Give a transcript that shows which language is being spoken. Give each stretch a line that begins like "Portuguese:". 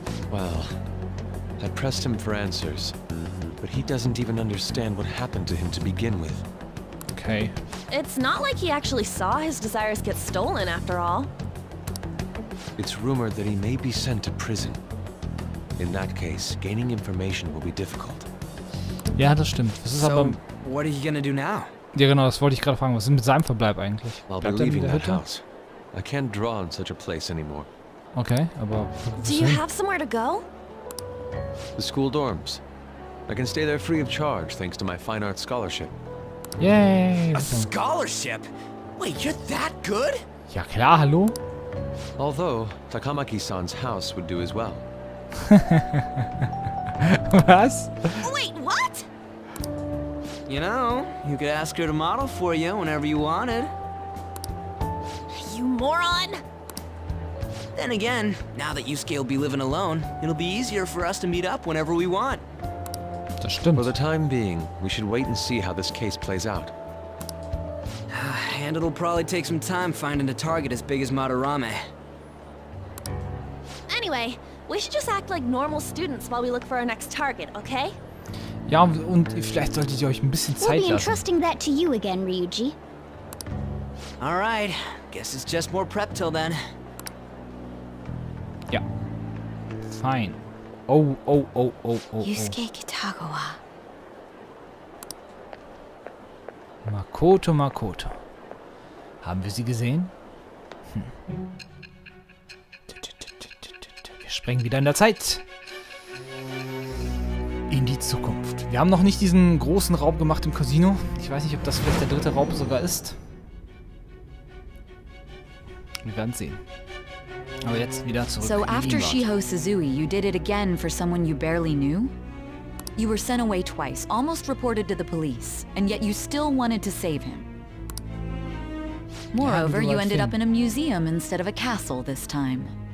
English: Well, I pressed him for answers, but he doesn't even understand what happened to him to begin with. Okay. It's not like he actually saw his desires get stolen after all. It's rumored that he may be sent to prison. In that case, gaining information will be difficult.
German: Ja, das stimmt. Das ist so, aber...
English: what are you gonna do now?
German: Ja, genau, das wollte ich gerade fragen. Was ist mit seinem Verbleib eigentlich? Bleibt er in der Hütte?
English: House. I can't draw in such a place anymore.
German: Okay, aber...
English: Do you have somewhere to go? The school dorms. I can stay there free of charge, thanks to my fine arts scholarship. Yay! A scholarship? Wait, you're that good?
German: Ja, klar, hallo?
English: Although, Takamaki-san's house would do as well.
German: Was?
English: Wait, what? You know, you could ask her to model for you whenever you wanted. You moron! Then again, now that Yusuke will be living alone, it'll be easier for us to meet up whenever we want.
German: Das stimmt.
English: For the time being, we should wait and see how this case plays out. And it'll probably take some time finding a target as big as Madarame. Anyway, we should just act like normal students while we look for our next target, okay?
German: Ja, und vielleicht solltet ihr euch ein bisschen Zeit lassen.
English: We'll be entrusting that to you again, Ryuji. All right, guess it's just more prep till then. Ja. Fine. Oh. Yusuke Kitagawa.
German: Makoto. Haben wir sie gesehen? Wir springen wieder in der Zeit. In die Zukunft. Wir haben noch nicht diesen großen Raub gemacht im Casino. Ich weiß nicht, ob das vielleicht der dritte Raub sogar ist. Wir werden es sehen. Aber jetzt wieder zurück.
English: So after Shiho Suzui, you did it again for someone you barely knew? You were sent away twice, almost reported to the police, and yet you still wanted to save him. Moreover, you ended up in a museum instead of a castle this time.